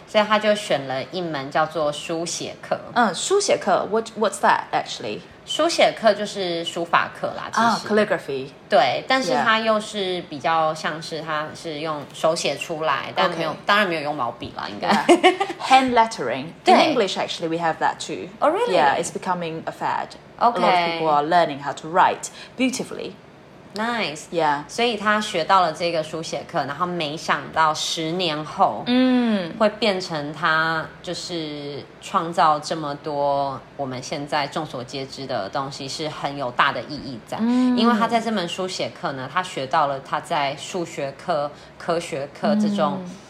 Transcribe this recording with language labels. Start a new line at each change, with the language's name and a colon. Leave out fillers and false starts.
Chinese: 所以他就选了一门叫做书写课。
English: 书写课 ，what's that actually？
Chinese: 书写课就是书法课啦，其实、
English: calligraphy。
Chinese: 对，但是它又是比较像是它是用手写出来，
English: yeah.
Chinese: 但没有，
English: okay.
Chinese: 当然没有用毛笔啦，应该。
English: Yeah. Hand lettering in English actually we have that too. Oh really? Yeah, it's becoming a fad. Okay, a lot of people are learning how to write beautifully. Nice, yeah.
Chinese: 所以他学到了这个书写课，然后没想到十年后，会变成他就是创造这么多我们现在众所皆知的东西，是很有大的意义在。因为他在这门书写课呢，他学到了他在数学课、科学课这种。